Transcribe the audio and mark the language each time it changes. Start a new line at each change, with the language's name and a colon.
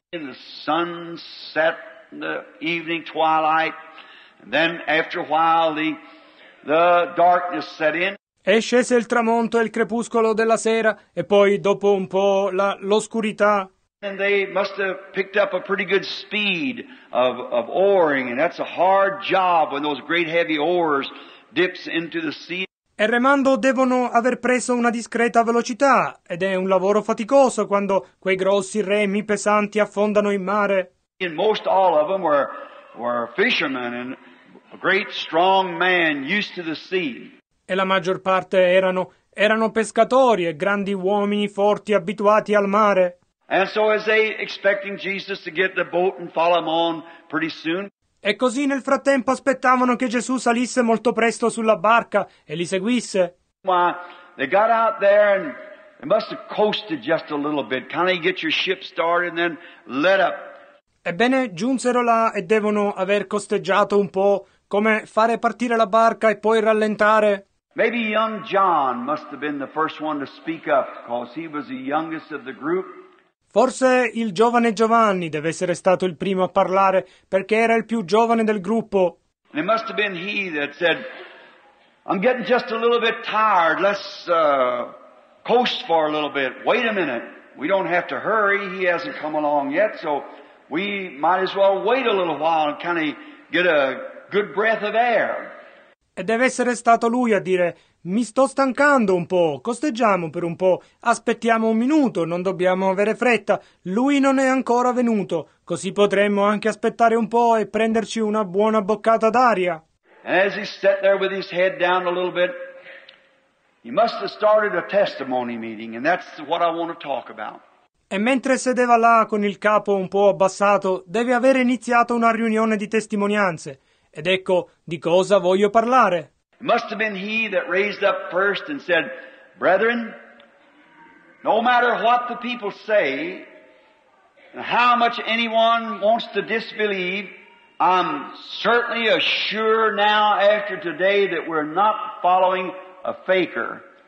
English: And the sun set in the evening twilight, and then after a while the darkness set in.
Italian: E scese il tramonto e il crepuscolo della sera, e poi dopo un po' l'oscurità.
English: And they must have picked up a pretty good speed of oaring, and that's a hard job when those great heavy oars dips into the sea.
Italian: E remando devono aver preso una discreta velocità, ed è un lavoro faticoso quando quei grossi remi pesanti affondano in mare.
English: And most all of them were fishermen and a great strong man used to the sea.
Italian: E la maggior parte erano pescatori e grandi uomini forti abituati al mare.
English: And so as they expecting Jesus to get the boat and follow him on pretty soon.
Italian: E così nel frattempo aspettavano che Gesù salisse molto presto sulla barca e li seguisse.
English: Well, they got out there and they must have coasted just a little bit. Kind of get your ship started and then let up.
Italian: Ebbene, giunsero là e devono aver costeggiato un po'. Come fare partire la barca e poi rallentare?
English: Maybe young John must have been the first one to speak up, because he was the youngest of the group.
Italian: Forse il giovane Giovanni deve essere stato il primo a parlare, perché era il più giovane del gruppo.
English: And it must have been he that said, I'm getting just a little bit tired, let's coast for a little bit. Wait a minute, we don't have to hurry, he hasn't come along yet, so we might as well wait a little while and kind of get a good breath of air.
Italian: E deve essere stato lui a dire, mi sto stancando un po', costeggiamo per un po', aspettiamo un minuto, non dobbiamo avere fretta, lui non è ancora venuto, così potremmo anche aspettare un po' e prenderci una buona boccata d'aria.
English: And as he sat there with his head down a little bit, he must have started a testimony meeting, and that's what I want to talk about.
Italian: E mentre sedeva là con il capo un po' abbassato, deve aver iniziato una riunione di testimonianze. Ed ecco di cosa voglio parlare.
English: It must have been he that raised up first and said, brethren, no matter what the people say, and how much anyone wants to disbelieve, I'm certainly assured now after today that we're not following a faker.